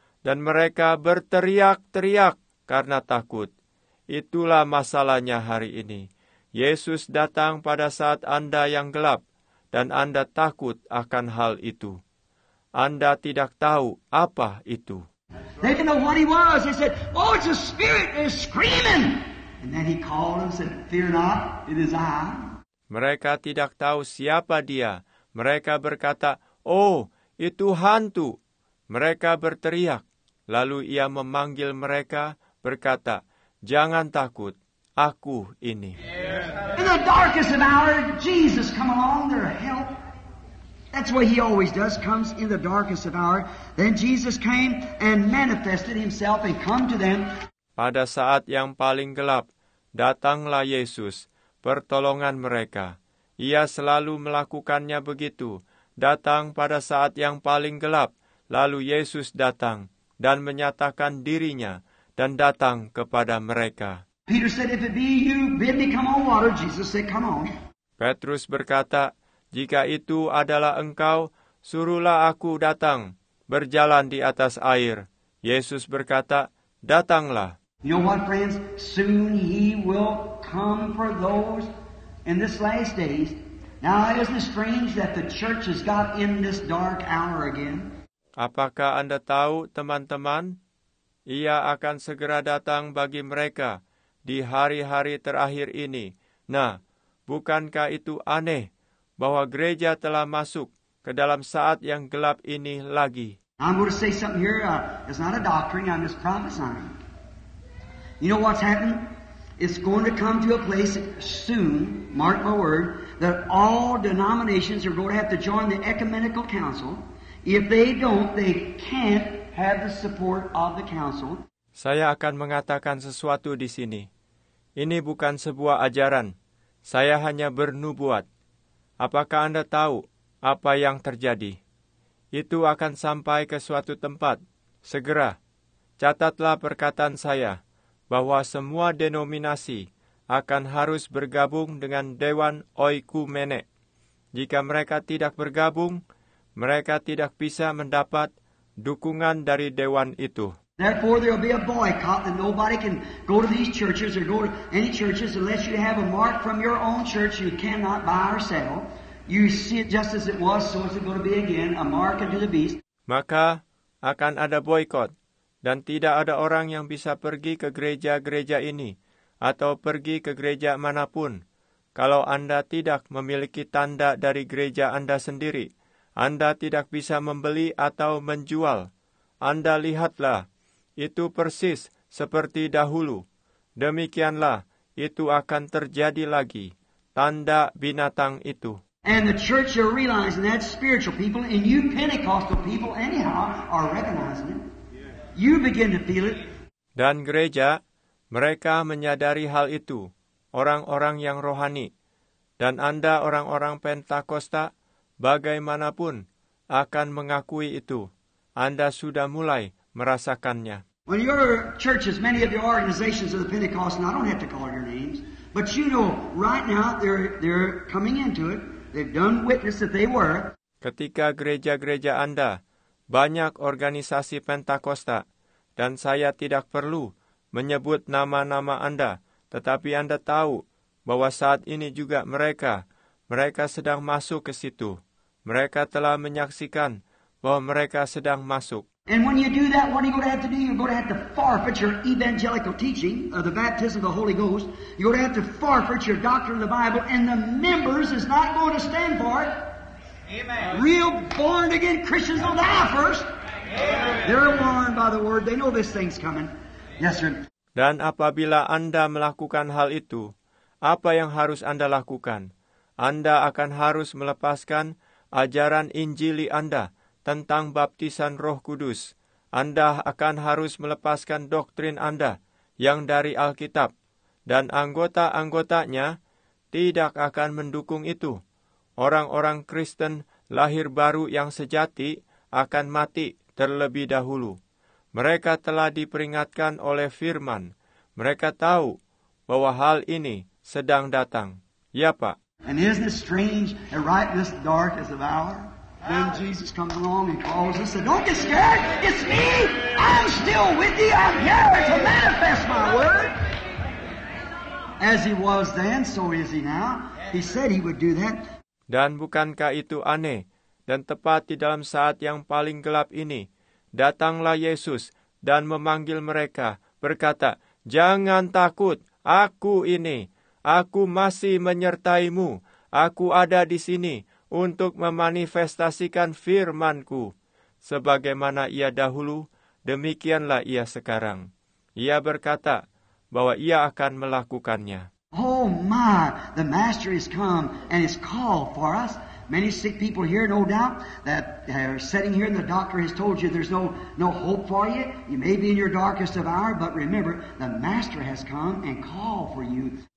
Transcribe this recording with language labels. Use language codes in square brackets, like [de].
[id] Dan mereka berteriak-teriak karena takut. Itulah masalahnya hari ini. Yesus datang pada saat Anda yang gelap, dan Anda takut akan hal itu. Anda tidak tahu apa itu. [en] They didn't know what he was. They said, "Oh, it's a spirit, and it's screaming." And then he called and said, "Fear not, it is I." [id] Mereka tidak tahu siapa dia. Mereka berkata, "Oh, itu hantu." Mereka berteriak. Lalu ia memanggil mereka, berkata, "Jangan takut, aku ini." [en] In the darkest of hour, Jesus come along their help. That's what he always does, comes in the darkest of hour. Then Jesus came and manifested himself and come to them. [id] Pada saat yang paling gelap, datanglah Yesus, pertolongan mereka. Ia selalu melakukannya begitu, datang pada saat yang paling gelap, lalu Yesus datang dan menyatakan dirinya dan datang kepada mereka. [en] Peter said, "If it be you, bid me come on water." Jesus said, "Come on." [id] Petrus berkata, "Jika itu adalah engkau, suruhlah aku datang, berjalan di atas air." Yesus berkata, "Datanglah." [en] You know what, friends? Soon he will come for those in this last days. Now, isn't it strange that the church has got in this dark hour again? [id] Apakah Anda tahu, teman-teman? Ia akan segera datang bagi mereka di hari-hari terakhir ini. Nah, bukankah itu aneh bahwa gereja telah masuk ke dalam saat yang gelap ini lagi? [en] I'm going to say something here. It's not a doctrine. I'm just prophesying. You know what's happened? It's going to come to a place soon, mark my word, that all denominations are going to have to join the ecumenical council. If they don't, they can't have the support of the council. [id] Saya akan mengatakan sesuatu di sini. Ini bukan sebuah ajaran. Saya hanya bernubuat. Apakah Anda tahu apa yang terjadi? Itu akan sampai ke suatu tempat. Segera, catatlah perkataan saya bahwa semua denominasi akan harus bergabung dengan Dewan Oikumene. Jika mereka tidak bergabung, mereka tidak bisa mendapat dukungan dari Dewan itu. [en] Therefore, there will be a boycott that nobody can go to these churches or go to any churches unless you have a mark from your own church you cannot buy or sell. You see it just as it was, so is it going to be again, a mark unto the beast. [id] Maka akan ada boikot, dan tidak ada orang yang bisa pergi ke gereja-gereja ini, atau pergi ke gereja manapun. Kalau Anda tidak memiliki tanda dari gereja Anda sendiri, Anda tidak bisa membeli atau menjual. Anda lihatlah, itu persis seperti dahulu. Demikianlah, itu akan terjadi lagi, tanda binatang itu. [en] And the church are realizing that spiritual people and you Pentecostal people anyhow are recognizing it. You begin to feel it. [id] Dan gereja, mereka menyadari hal itu, orang-orang yang rohani. Dan Anda orang-orang Pentakosta, bagaimanapun, akan mengakui itu. Anda sudah mulai merasakannya. [en] When your churches, many of the organizations of the Pentecost, and I don't have to call your names, but you know, right now they're coming into it. They've done witness that they were. [id] Ketika gereja-gereja Anda, banyak organisasi Pentakosta, dan saya tidak perlu menyebut nama-nama Anda, tetapi Anda tahu bahwa saat ini juga mereka sedang masuk ke situ. Mereka telah menyaksikan bahwa mereka sedang masuk. [en] And when you do that, what are you going to have to do? You're going to have to forfeit your evangelical teaching of the baptism of the Holy Ghost. You're going to have to forfeit your doctrine of the Bible, and the members is not going to stand for it. Amen. Real born-again Christians don't die first. Amen. They're warned by the word. They know this thing's coming. Yes, sir. [id] Dan apabila Anda melakukan hal itu, apa yang harus Anda lakukan? Anda akan harus melepaskan ajaran Injili Anda tentang baptisan Roh Kudus. Anda akan harus melepaskan doktrin Anda yang dari Alkitab, dan anggota-anggotanya tidak akan mendukung itu. Orang-orang Kristen lahir baru yang sejati akan mati terlebih dahulu. Mereka telah diperingatkan oleh Firman. Mereka tahu bahwa hal ini sedang datang. Ya, Pak. [en] And isn't it strange that right in this dark as of hour, then Jesus comes along and calls us and don't get scared, it's me, I'm still with you, I'm here to manifest my word. As he was then, so is he now. He said he would do that. [id] Dan bukankah itu aneh? Dan tepat di dalam saat yang paling gelap ini, datanglah Yesus dan memanggil mereka, berkata, jangan takut, aku ini, aku masih menyertaimu, aku ada di sini untuk memanifestasikan firmanku. Sebagaimana ia dahulu, demikianlah ia sekarang. Ia berkata bahwa ia akan melakukannya. [en] Oh my, the master has come and has called for us. Many sick people here, no doubt, that are sitting here and the doctor has told you there's no hope for you. You may be in your darkest of hour, but remember, the master has come and called for you.